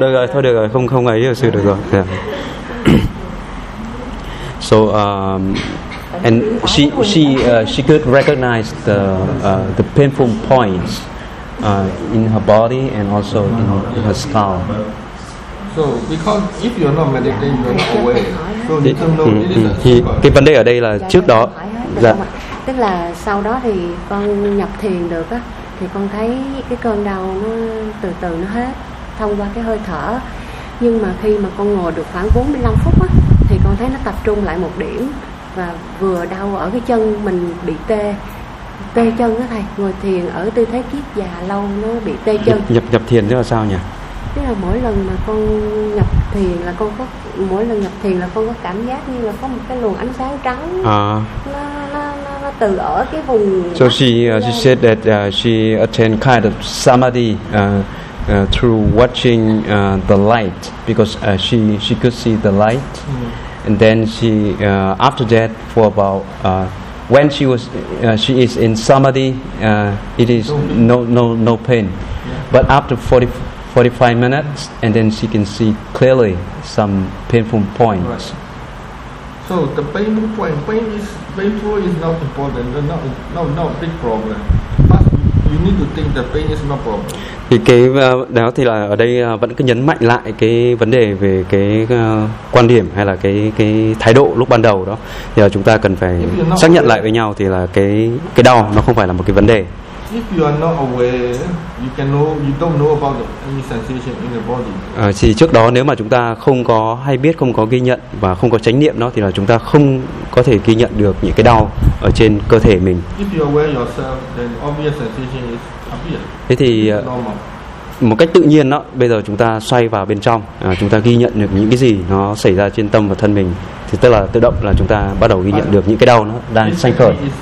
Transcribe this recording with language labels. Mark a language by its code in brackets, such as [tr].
[vi] Thôi được rồi, không ấy vào sư được rồi. [en] So And she could recognize the painful points in her body and also in her skull. So because if you're not meditating, you're not aware. So you don't know it is a [vi] Cái vấn đề ở đây là trước đó. Dạ. Tức là sau đó thì con nhập thiền được á, thì con thấy cái cơn đau nó từ từ nó hết thông qua cái hơi thở. Nhưng mà khi mà con ngồi được khoảng 45 phút á, thì con thấy nó tập trung lại một điểm, và vừa đau ở cái chân mình bị tê, tê chân đó thầy. Ngồi thiền ở tư thế kiết già lâu nó bị tê chân. Nhập thiền tức là sao nhỉ? Tức là mỗi lần mà con nhập thiền là con có, mỗi lần nhập thiền là con có cảm giác như là có một cái luồng ánh sáng trắng nó từ ở cái vùng. [en] So she said that she attained kind of samadhi through watching the light, because she could see the light. And then she, after that, for about when she was, she is in samadhi, it is no pain. Yeah. But after 45 minutes, and then she can see clearly some painful points. Right. So the painful point, painful is not important. No big problem. You need to think that pain is not problem. [vi] Thì cái đó thì là ở đây vẫn cứ nhấn mạnh lại cái vấn đề về cái quan điểm hay là cái thái độ lúc ban đầu đó. Thì là chúng ta cần phải xác nhận lại với nhau thì là cái đau nó không phải là một cái vấn đề. [en] If you are not aware, you can know, you don't know about any sensation in the body. [vi] Thì trước đó nếu mà chúng ta không có hay biết, không có ghi nhận và không có chánh niệm đó thì là chúng ta không có thể ghi nhận được những cái đau ở trên cơ thể mình. [en] If you are aware yourself, then obvious sensation is appear. [vi] Thế thì một cách tự nhiên đó, bây giờ chúng ta xoay vào bên trong, chúng ta ghi nhận được những cái gì nó xảy ra trên tâm và thân mình, thì tức là tự động là chúng ta bắt đầu ghi nhận được những cái đau nó đang sanh khởi.